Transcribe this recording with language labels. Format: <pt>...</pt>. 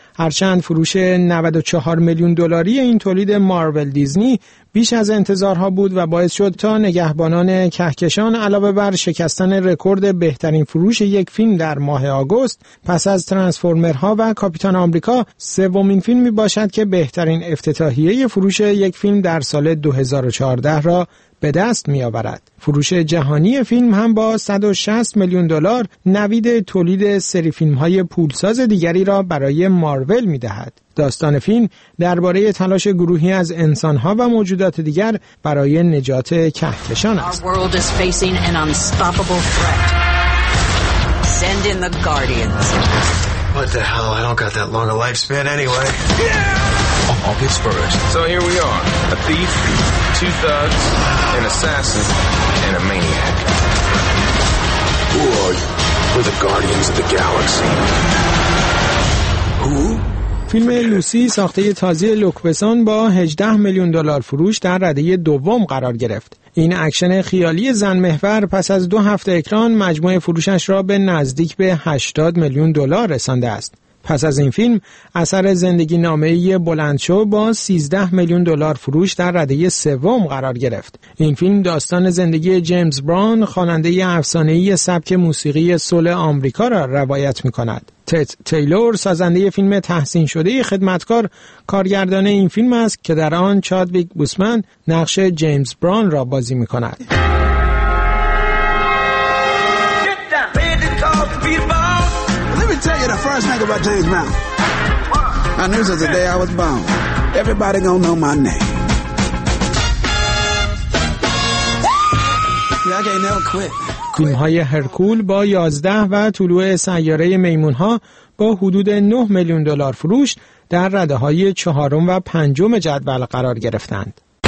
<fa>هرچند فروش 94 میلیون دلاری این تولید مارول دیزنی بیش از انتظارها بود و باعث شد تا نگهبانان کهکشان علاوه بر شکستن رکورد بهترین فروش یک فیلم در ماه آگوست، پس از ترانسفورمرها و کاپیتان آمریکا، سومین فیلمی باشد که بهترین افتتاحیه فروش یک فیلم در سال 2014 را به دست می آورد. فروش جهانی فیلم هم با 160 میلیون دلار نوید تولید سری فیلم های پولساز دیگری را برای مارول می دهد. داستان فیلم درباره تلاش گروهی از انسان ها و موجودات دیگر برای نجات کهکشان است.</fa> <en>Our world is facing an unstoppable threat. Send in the guardians. What the hell? I don't got that long a lifespan anyway. Yeah! August 1st. So here we are. A thief, two thugs, an assassin, and a maniac. Who are you? We're the guardians of the galaxy. Who?</en> <fa>فیلم لوسی ساخته تازه لوکبسون با 18 میلیون دلار فروش در رده دوم قرار گرفت. این اکشن خیالی زن محور پس از دو هفته اکران مجموع فروشش را به نزدیک به 80 میلیون دلار رسانده است. پس از این فیلم اثر زندگی نامه ای بلندشو با 13 میلیون دلار فروش در رده سوم قرار گرفت. این فیلم داستان زندگی جیمز براون، خواننده افسانه‌ای سبک موسیقی سول آمریکا را روایت می‌کند. تت تیلور، سازنده فیلم تحسین شده خدمتکار، کارگردان این فیلم است که در آن چادویک بوسمن نقش جیمز براون را بازی می‌کند.</fa> <en>The first thing about James Brown, I knew since the day I was born, everybody gonna know my name. Yeah, I can't never quit.</en> <fa>فیلم‌های هرکول با 11 و طلوع سیاره میمون‌ها با حدود 9 میلیون دلار فروش در رده‌های 4 و 5 جدول قرار گرفتند.</fa>